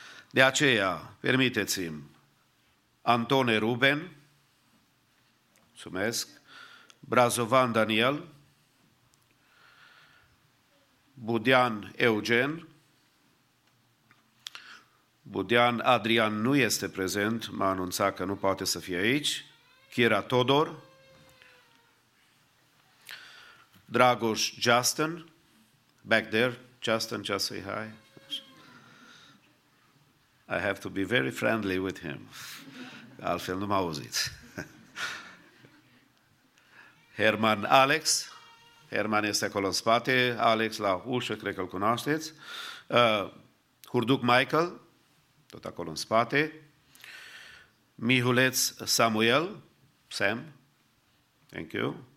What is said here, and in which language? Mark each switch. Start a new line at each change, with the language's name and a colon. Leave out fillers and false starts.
Romanian: De aceea, permiteți-mi, Antone Ruben, mulțumesc, Brazovan Daniel, Budean Eugen, Budean Adrian nu este prezent, m-a anunțat că nu poate să fie aici, Kira Todor, Dragoș Justin,
English: back there, Justin, just say hi. I have to be very friendly with him.
Romanian: Altfel nu mă auziți. Herman Alex, Herman este acolo în spate, Alex la ușă, cred că îl cunoașteți. Hurduc Michael, tot acolo în spate. Mihuleț Samuel, Sam,
English: thank you.